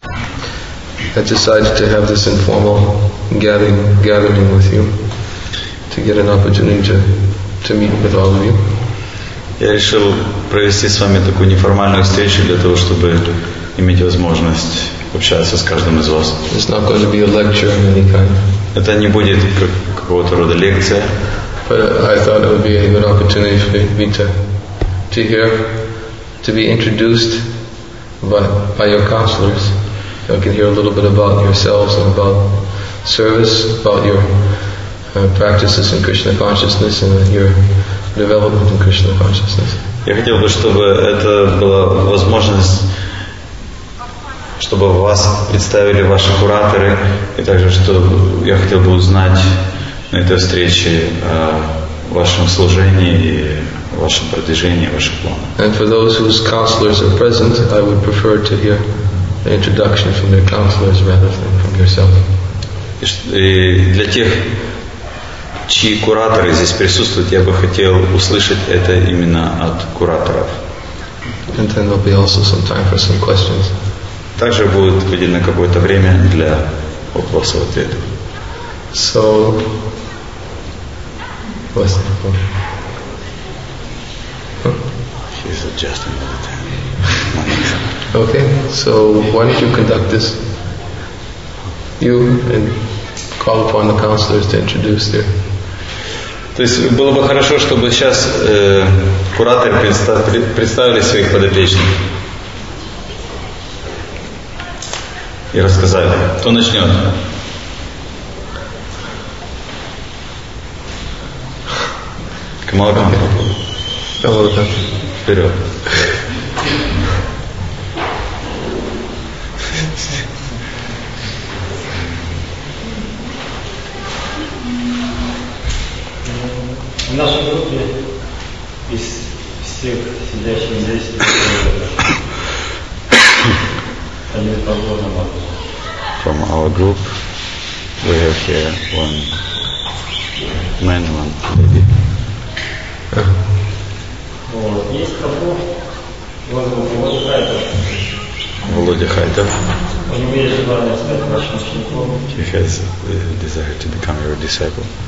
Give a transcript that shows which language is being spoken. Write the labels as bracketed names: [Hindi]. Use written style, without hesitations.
[English] I decided to have this informal gathering with you to get an opportunity to meet with all of you. [Russian] Я решил провести с вами такую неформальную встречу для того, чтобы иметь возможность общаться с каждым из вас. [English] It's not going to be a lecture of any kind. [Russian] Это не будет какого-то рода лекция. [English] But I thought it would be a good opportunity for me to hear, to be introduced by your counselors. I can hear a little bit about yourselves and about service, about your practices in Krishna consciousness and your development in Krishna consciousness. [Russian] Я хотел бы, чтобы это была возможность, чтобы вас представили ваши кураторы, и также, что я хотел бы узнать на этой встрече о вашем служении и вашем продвижении, ваших планах. [English] And for those whose counselors are present, I would prefer to hear an introduction from their counselors rather than from yourself. [Russian] И для тех, чьи кураторы здесь присутствуют, я бы хотел услышать это именно от кураторов. [English] And then there'll be also some time for some questions. [Russian] Также будет выделено какое-то время для вопросов-ответов. [English] So, what's the problem? He's adjusting all the time. Okay, so why don't you conduct this? You and call upon the counselors to introduce their. [Russian] То есть было бы хорошо, чтобы сейчас кураторы представили своих подопечных и рассказали. Кто начнет? Камалакан. Камалакан. Вперед. В нашей группе из всех сидящих здесь они похожи на. [English] From our group, we have here one man, one lady. [Russian] Есть кто? Володя Хайтов. Володя Хайтов. У него есть желание стать вашим учеником. [English] He has the desire to become your disciple.